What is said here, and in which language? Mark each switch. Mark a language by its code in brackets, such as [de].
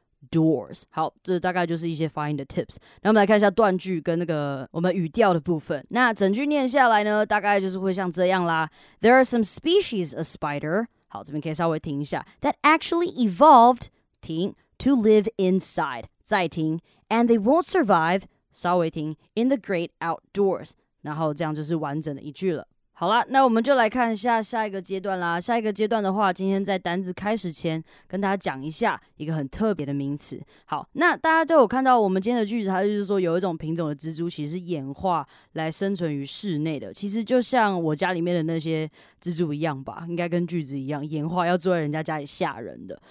[zh] doors. 好，这大概就是一些发音的 tips。那我们来看一下断句跟那个我们语调的部分。那整句念下来呢，大概就是会像这样啦。 [en] There are some species of spider. [zh] 好，这边可以稍微停一下。 [en] That actually evolved, [zh] 停, [en] to live inside. [zh] 再停。 [en] And they won't survive, [zh] 稍微停, [en] in the great outdoors. [zh] 然后这样就是完整的一句了。好啦，那我们就来看一下下一个阶段啦。下一个阶段的话，今天在单字开始前跟大家讲一下一个很特别的名词。好，那大家都有看到我们今天的句子，它就是说有一种品种的蜘蛛其实是演化来生存于室内的，其实就像我家里面的那些蜘蛛一样吧，应该跟句子一样，演化要住在人家家里吓人的。